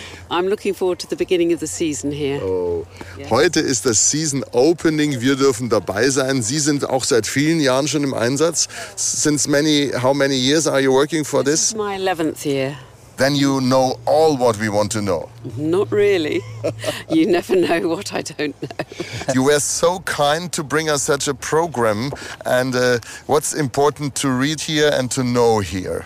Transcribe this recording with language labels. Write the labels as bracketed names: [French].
[English] I'm looking forward to the beginning of the season here. [German] Heute ist das Season Opening. Wir dürfen dabei sein. Sie sind auch seit vielen Jahren schon im Einsatz. [English] How many years are you working for this? This is my 11th year. Then you know all what we want to know. Not really. You never know what I don't know. You were so kind to bring us such a program. And what's important to read here and to know here?